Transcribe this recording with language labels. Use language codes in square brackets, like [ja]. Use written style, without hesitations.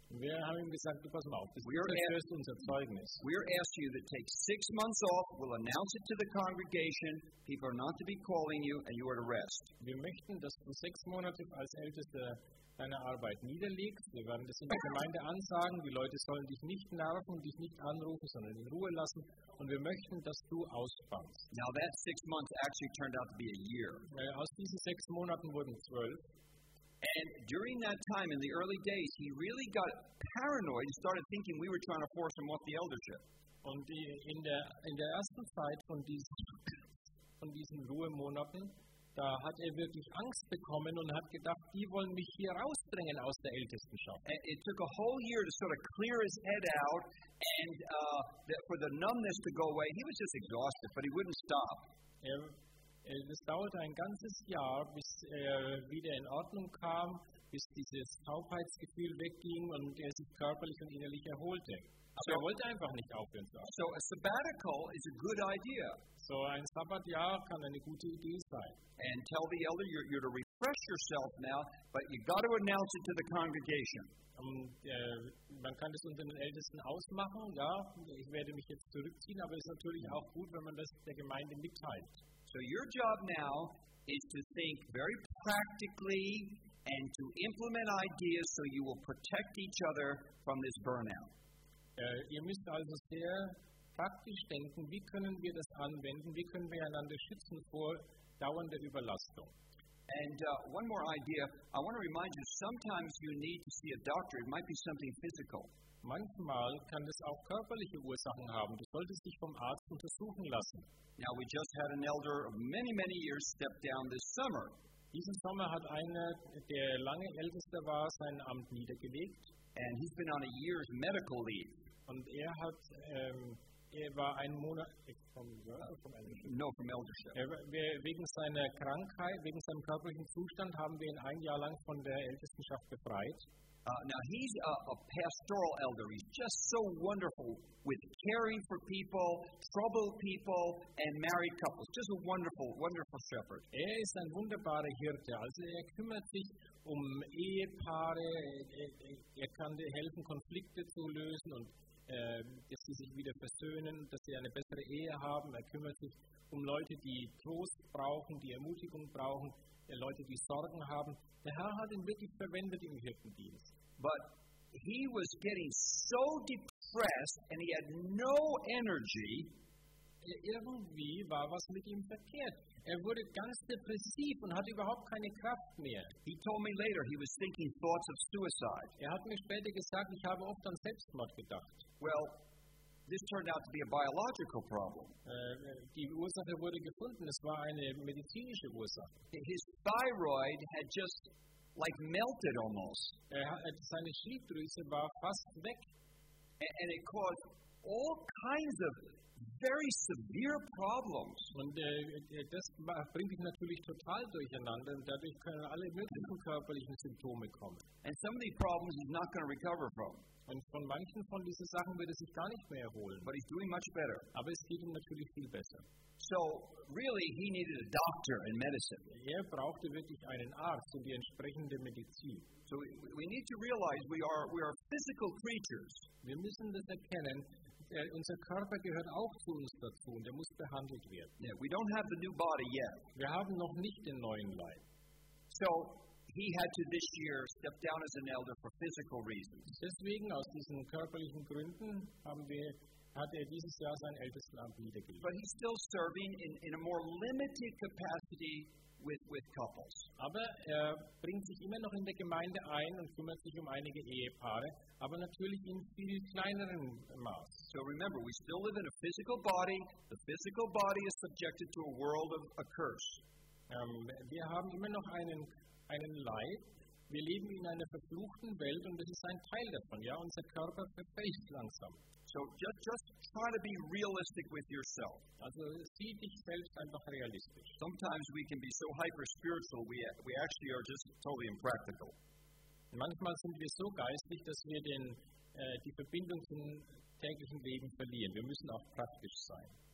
[de] Wir haben ihm gesagt, du pass mal auf, das zerstörst unser Zeugnis. [en] We're asking you to take 6 months off. We'll announce it to the congregation. People are not to be calling you, and you are to rest. [de] Wir möchten, dass du 6 Monate als Ältester deine Arbeit niederlegst. Wir werden das in der Gemeinde ansagen. Die Leute sollen dich nicht nerven, dich nicht anrufen, sondern in Ruhe lassen. Und wir möchten, dass du ausspannst. [en] Now that 6 months actually turned out to be a year. [de] Aus diesen 6 Monaten wurden 12. [en] And during that time, in the early days, he really got paranoid and started thinking we were trying to force him off the eldership. [de] Und in der ersten Zeit von diesen Ruhemonaten, da hat er wirklich Angst bekommen und hat gedacht, die wollen mich hier rausdrängen aus der Ältestenschaft. [en] It took a whole year to sort of clear his head out and for the numbness to go away. He was just exhausted, but he wouldn't stop. [de] Es dauerte ein ganzes Jahr, bis er wieder in Ordnung kam, bis dieses Taubheitsgefühl wegging und er sich körperlich und innerlich erholte. Also er wollte einfach nicht aufhören. [en] So a sabbatical is a good idea. [de] So ein Sabbatjahr kann eine gute Idee sein. [en] And tell the elder you're to refresh yourself now, but you got to announce it to the congregation. [de] Man kann das unter den Ältesten ausmachen, ja, ich werde mich jetzt zurückziehen, aber es ist natürlich auch gut, wenn man das der Gemeinde mitteilt. [en] So your job now is to think very practically and to implement ideas so you will protect each other from this burnout. [de] Ihr müsst also sehr praktisch denken, wie können wir das anwenden, wie können wir einander schützen vor dauernder Überlastung. [en] And one more idea, I want to remind you, sometimes you need to see a doctor, it might be something physical. [de] Manchmal kann das auch körperliche Ursachen haben, du solltest dich vom Arzt untersuchen lassen. [en] Now we just had an elder of many, many years step down this summer. [de] Diesen Sommer hat einer, der lange Ältester war, sein Amt niedergelegt. [en] And he's been on a year's medical leave. [de] Und er hat, er war einen Monat, [en] from eldership. [de] Wegen seinem körperlichen Zustand haben wir ihn 1 Jahr lang von der Ältestenschaft befreit. [en] Now he's a pastoral elder. He's just so wonderful with caring for people, troubled people, and married couples. Just a wonderful, wonderful shepherd. [de] Er ist ein wunderbarer Hirte. Also er kümmert sich um Ehepaare. Er kann dir helfen, Konflikte zu lösen und dass sie sich wieder versöhnen, dass sie eine bessere Ehe haben. Er kümmert sich um Leute, die Trost brauchen, die Ermutigung brauchen, Leute, die Sorgen haben. Der Herr hat ihn wirklich verwendet im Hirtendienst. [en] But he was getting so depressed and he had no energy. [de] Irgendwie war was mit ihm verkehrt. Er wurde ganz depressiv und hatte überhaupt keine Kraft mehr. [en] He told me later he was thinking thoughts of suicide. [de] Er hat mir später gesagt, ich habe oft an Selbstmord gedacht. [en] Well, this turned out to be a biological problem. [de] Die Ursache wurde gefunden. Es war eine medizinische Ursache. [en] His thyroid had just like melted almost. [de] Seine Schilddrüse war fast weg. [en] And it caused all kinds of very severe problems. [de] Und das bringt dich natürlich total durcheinander, und dadurch können alle möglichen körperlichen Symptome kommen. [en] And some of these problems he's not going to recover from. [de] Und von manchen von diesen Sachen wird er sich gar nicht mehr erholen. [en] But he's doing much better. [de] Aber es geht ihm natürlich viel besser. [en] So, really, he needed a doctor in medicine. [de] Er brauchte wirklich einen Arzt und die entsprechende Medizin. [en] So, we need to realize we are physical creatures. [de] Wir müssen das erkennen. Unser Körper gehört auch zu uns dazu und er muss behandelt werden. [en] Yeah, we don't have the new body yet. [de] Wir haben noch nicht den neuen Leib. [en] So, he had to this year step down as an elder for physical reasons. [de] Deswegen, aus diesen körperlichen Gründen, hat er dieses Jahr sein Ältestenamt niedergelegt. [en] But he's still serving in a more limited capacity with couples. [de] Aber er bringt sich immer noch in der Gemeinde ein und kümmert sich um einige Ehepaare, aber natürlich in viel kleineren Maß. [en] So remember, we still live in a physical body. The physical body is subjected to a world of a curse. [de] Wir haben immer noch einen Leib. Wir leben in einer verfluchten Welt und das ist ein Teil davon. Ja, unser Körper verfällt langsam. So just try to be realistic with yourself. Also sieh dich selbst einfach realistisch. Sometimes we can be so hyper-spiritual, we actually are just totally impractical. Manchmal sind wir so geistig, dass wir die Verbindung zum täglichen Leben verlieren. Wir müssen auch praktisch sein.